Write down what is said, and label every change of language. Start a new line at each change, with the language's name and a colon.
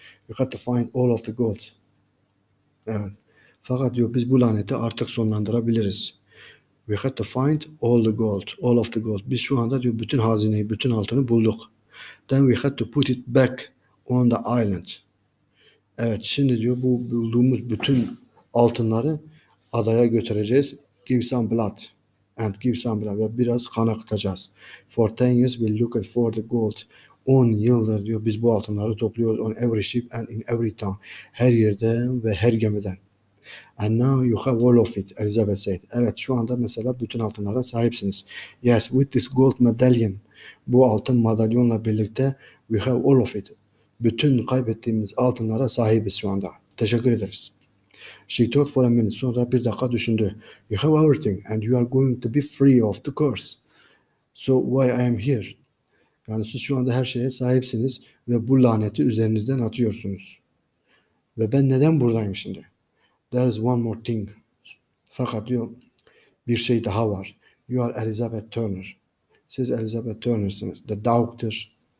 English: We have to find all of the gold.
Turkish: Evet. Fakat diyor biz bu laneti artık sonlandırabiliriz.
English: We had to find all the gold, all of the gold.
Turkish: Biz şu anda diyor bütün hazineyi, bütün altını bulduk.
English: Then we had to put it back on the island.
Turkish: Evet, şimdi diyor bu bulduğumuz bütün altınları adaya götüreceğiz.
English: Give some blood and give some blood.
Turkish: Ve biraz kan akıtacağız.
English: For 10 years we look for the gold.
Turkish: 10 yıldır diyor biz bu altınları topluyoruz
English: on every ship and in every town.
Turkish: Her yerden ve her gemiden.
English: And now you have all of it, Elizabeth said.
Turkish: Evet, şu anda mesela bütün altınlara sahipsiniz.
English: Yes, with this gold medallion,
Turkish: bu altın madalyonla birlikte
English: we have all of it.
Turkish: Bütün kaybettiğimiz altınlara sahibiz şu anda. Teşekkür ederiz.
English: She thought for a minute,
Turkish: sonra bir dakika düşündü.
English: You have everything and you are going to be free of the curse. So why I am here?
Turkish: Yani siz şu anda her şeye sahipsiniz ve bu laneti üzerinizden atıyorsunuz. Ve ben neden buradayım şimdi?
English: There is one more thing.
Turkish: Fakat diyor bir şey daha var.
English: You are Elizabeth Turner.
Turkish: Siz Elizabeth Turner'sınız.
English: The doctor.